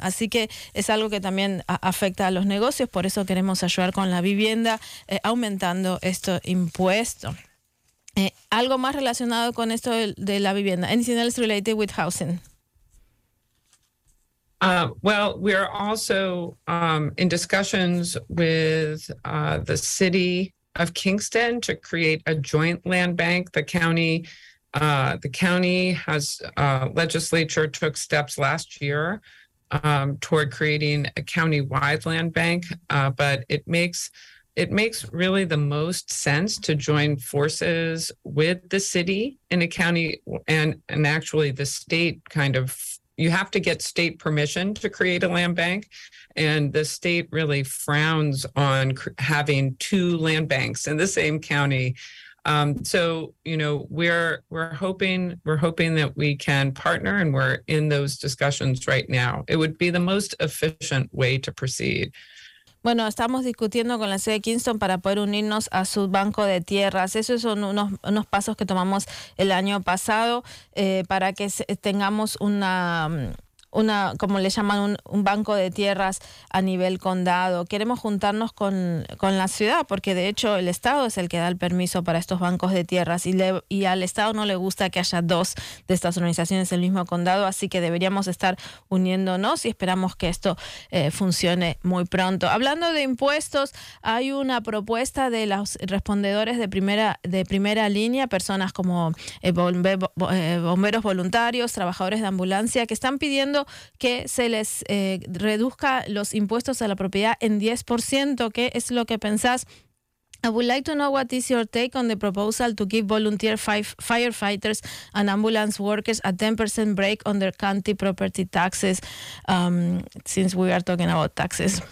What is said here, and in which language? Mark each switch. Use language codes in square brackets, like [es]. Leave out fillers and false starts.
[es] Así que es algo que también afecta a los negocios, por eso queremos ayudar con la vivienda aumentando este impuesto. Algo más relacionado con esto de la vivienda. [en] Anything else related with housing? Well, we are also in discussions with the city of Kingston to create a joint land bank. The county has legislature took steps last year toward creating a county-wide land bank, but it makes really the most sense to join forces with the city in a county and actually the state kind of. You have to get state permission to create a land bank, and the state really frowns on having two land banks in the same county. We're hoping that we can partner, and we're in those discussions right now. It would be the most efficient way to proceed. [es] Bueno, estamos discutiendo con la ciudad de Kingston para poder unirnos a su banco de tierras. Esos son unos pasos que tomamos el año pasado para que tengamos una una, como le llaman, un banco de tierras a nivel condado. Queremos juntarnos con la ciudad, porque de hecho el Estado es el que da el permiso para estos bancos de tierras y al Estado no le gusta que haya dos de estas organizaciones en el mismo condado, así que deberíamos estar uniéndonos y esperamos que esto funcione muy pronto. Hablando de impuestos, hay una propuesta de los respondedores de primera línea, personas como bomberos voluntarios, trabajadores de ambulancia, que están pidiendo que se les reduzca los impuestos a la propiedad en 10%. ¿Qué es lo que pensás? [en] I would like to know what is your take on the proposal to give volunteer firefighters and ambulance workers a 10% break on their county property taxes, since we are talking about taxes.